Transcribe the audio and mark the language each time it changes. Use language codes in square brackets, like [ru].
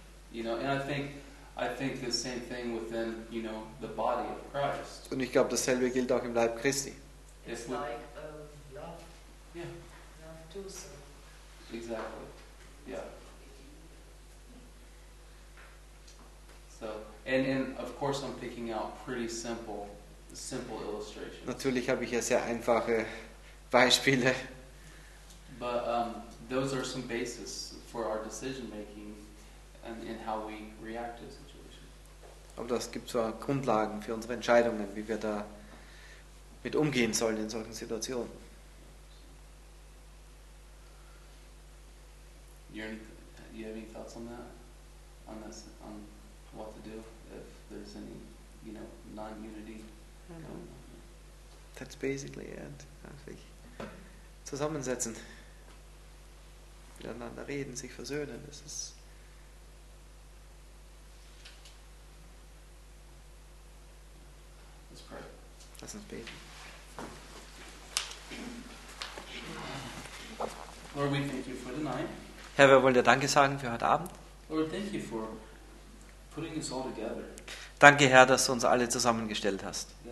[en] You know, and I think the same thing within, you know, the body of Christ. [de] Und ich glaube, dasselbe gilt auch im Leib Christi. [en] It's like love. Love too. Exactly. Yeah. So, and of course I'm picking out pretty simple illustrations. [de] Natürlich habe ich ja sehr einfache Beispiele. [en] But those are some basis for our decision making and how we react to a situation. [de] Aber das gibt zwar Grundlagen für unsere Entscheidungen, wie wir da mit umgehen sollen in solchen Situationen. [en] You have any thoughts on that? On this, on what to do if there's any, you know, non-unity? That's basically it, I think. [de] Zusammensetzen, miteinander reden, sich versöhnen. Das ist [en] Let's pray. [de] Lass uns beten. [en] Lord, we thank you for tonight. [de] Herr, wir wollen dir Danke sagen für heute Abend. [en] Lord, thank you for putting us all together. [de] Danke, Herr, dass du uns alle zusammengestellt hast.